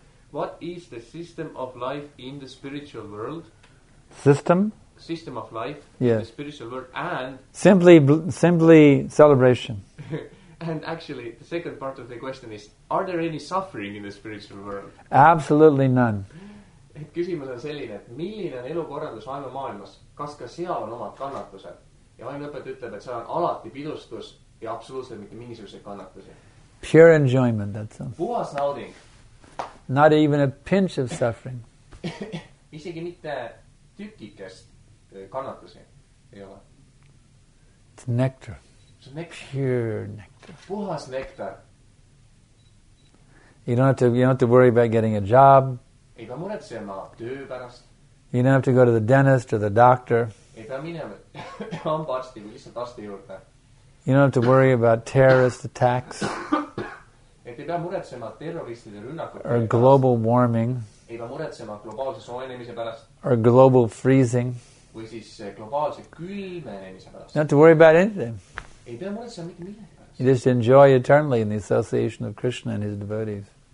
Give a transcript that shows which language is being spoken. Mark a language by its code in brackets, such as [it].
[en] What is the system of life in the spiritual world? System? System of life, yes. In the spiritual world and simply celebration. And actually, the second part of the question is, are there any suffering in the spiritual world? Absolutely none. [et] Et küsimus on selline, et milline on elukorraldus vaimu maailmas, kas ka seal on omad kannatused? Ja vaimu õpet ütleb, et seal on alati pidustus ja absoluutselt mitte mingisuguseid kannatusi. [en] Pure enjoyment, that's all. [et] Puhas nauding. [en] Not even a pinch of suffering. [et] Isegi mitte tükikest kannatusi ei ole. [en] It's nectar. Pure nectar. [et] Puhas nectar. [en] You don't have to worry about getting a job. [et] Ei pea muretsema töö pärast. [en] You don't have to go to the dentist or the doctor. [et] Ei pea minema hambaarsti või lihtsalt arsti juurde. [en] You don't have to worry about terrorist attacks. [et] Et ei pea muretsema terroristide rünnakute pärast. [en] Or global warming. [et] Ei pea muretsema globaalse soojenemise pärast. [en] Or global freezing. [et] Või siis globaalse külmenemise pärast. [en] You don't have to worry about anything. [et] Ei pea muretsema mitte millegi. [en] You just enjoy eternally in the association of Krishna and his devotees.